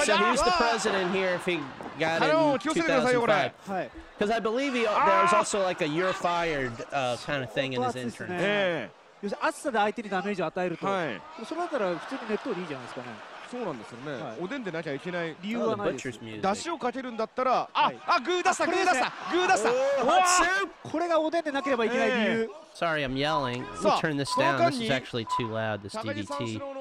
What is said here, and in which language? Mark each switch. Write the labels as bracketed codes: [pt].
[en] so who's the president here if he got in 2005? Because I believe there's also like a you're fired kind of thing in his entrance. [ja] よし、暑さで相手にダメージを与えると、はい、そうなったら普通に熱湯でいいじゃないですかね。そうなんですよね、はい、おでんでなきゃいけない理由はないです。出汁をかけるんだったら、あ、はい、あ、グー出した、グー出した、グー出した。わー、これがおでんでなければいけない理由。 [en] Sorry, I'm yelling. We'll turn this down. This is actually too loud, this DDT.